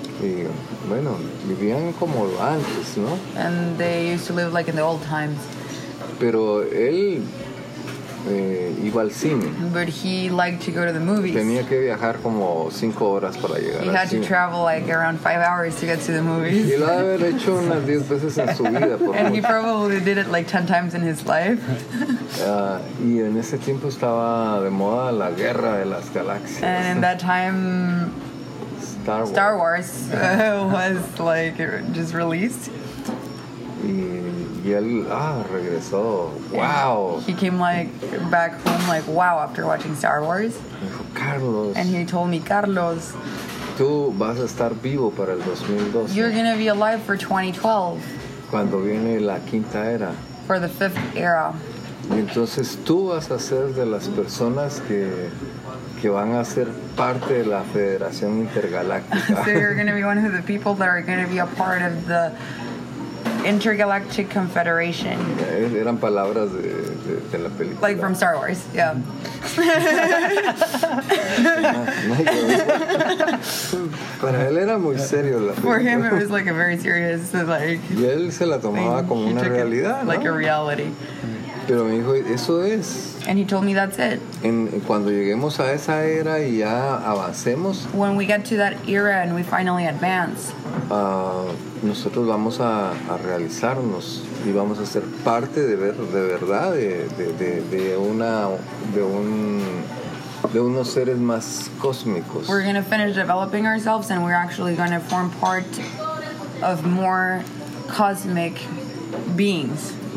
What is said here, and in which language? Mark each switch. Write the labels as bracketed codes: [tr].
[es] Y bueno, vivían como antes, ¿no? [en] And they used to live like in the old times. [es] Pero él iba al cine. [en] But he liked to go to the movies. [es] Tenía que viajar como 5 horas para llegar [en] he [es] al [en] had [es] cine. [en] To travel like around 5 hours to get to the movies. [es] Y lo ha haber hecho unas 10 veces en su vida. Por [en] and he probably did it like 10 times in his life. [es] Y en ese tiempo estaba de moda la guerra de las galaxias. [en] And in that time, Star Wars was like just released. [es] Y él, regresó. Wow. [en] He came like back home like wow after watching Star Wars. [es] Carlos. [en] And he told me, Carlos, [es] tú vas a estar vivo para el 2012. [en] You're gonna be alive for 2012. [es] Cuando viene la quinta era. [en] For the fifth era. [es] Y entonces tú vas a ser de las personas que van a ser parte de la Federación Intergaláctica. [en] So you're gonna be one of the people that are gonna be a part of the Intergalactic Confederation. [es] Yeah, eran palabras de la película. [en] Like from Star Wars, yeah. [es] Para él era muy serio la [en] película. For him, it was like a very serious, like. [es] Y él se la tomaba como una realidad, ¿no? [en] Like a reality. [es] Pero me dijo, eso es. [en] And he told me that's it. [es] Cuando lleguemos a esa era y ya avancemos. [en] When we get to that era and we finally advance. [es] Nosotros vamos a realizarnos y vamos a ser parte de verdad de unos seres más cósmicos. [en] We're going to finish developing ourselves and we're actually going to form part of more cosmic beings.